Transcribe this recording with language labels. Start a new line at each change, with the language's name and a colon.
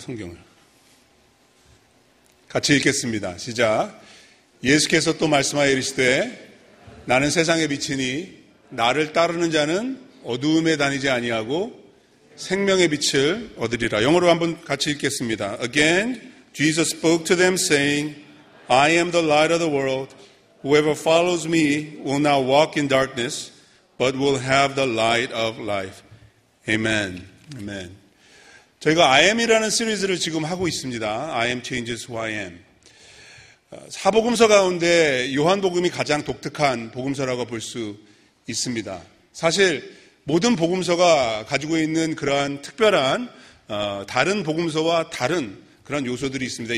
Korean: 성경을 같이 읽겠습니다. 시작. 예수께서 또 말씀하여 이르시되 나는 세상의 빛이니 나를 따르는 자는 어두움에 다니지 아니하고 생명의 빛을 얻으리라. 영어로 한번 같이 읽겠습니다.
English: Again, Jesus spoke to them saying, I am the light of the world. Whoever follows me will not walk in darkness, but will have the light of life. Amen. Amen.
Korean: 저희가 I am이라는 시리즈를 지금 하고 있습니다.
English: I am changes who I am.
Korean: 사복음서 가운데 요한복음이 가장 독특한 복음서라고 볼 수 있습니다. 사실 모든 복음서가 가지고 있는 그러한 특별한 다른 복음서와 다른 그런 요소들이 있습니다.